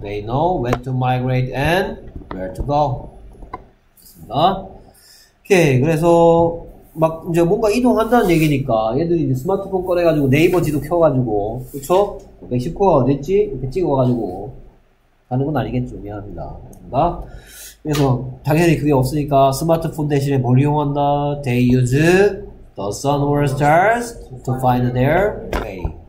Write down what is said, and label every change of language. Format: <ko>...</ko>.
<en>They know when to migrate and where to go.</en> <ko>됐습니다. 오케이. 그래서 막 이제 뭔가 이동한다는 얘기니까 얘들이 이제 스마트폰 꺼내가지고 네이버 지도 켜가지고 그렇죠? 멕시코가 어딨지? 이렇게 찍어가지고 가는 건 아니겠죠. 미안합니다. 됐습니다. 그래서 당연히 그게 없으니까 스마트폰 대신에 뭘 이용한다?</ko> <en>They use the sun or stars to find their way.</en>